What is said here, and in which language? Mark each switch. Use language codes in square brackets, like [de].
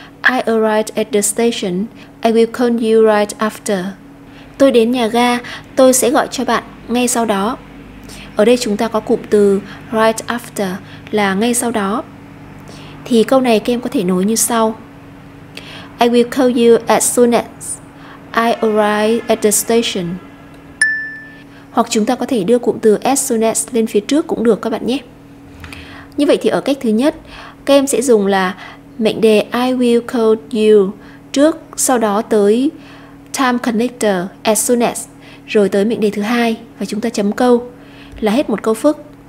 [en] I arrived at the station. I will call you right after. [vi] Tôi đến nhà ga, tôi sẽ gọi cho bạn ngay sau đó. Ở đây chúng ta có cụm từ right after là ngay sau đó. Thì câu này các em có thể nối như sau. [en] I will call you as soon as I arrive at the station. [vi] Hoặc chúng ta có thể đưa cụm từ as soon as lên phía trước cũng được các bạn nhé. Như vậy thì ở cách thứ nhất, các em sẽ dùng là mệnh đề [en] I will call you [vi] trước, sau đó tới time connector as soon as, rồi tới mệnh đề thứ hai và chúng ta chấm câu là hết một câu phức.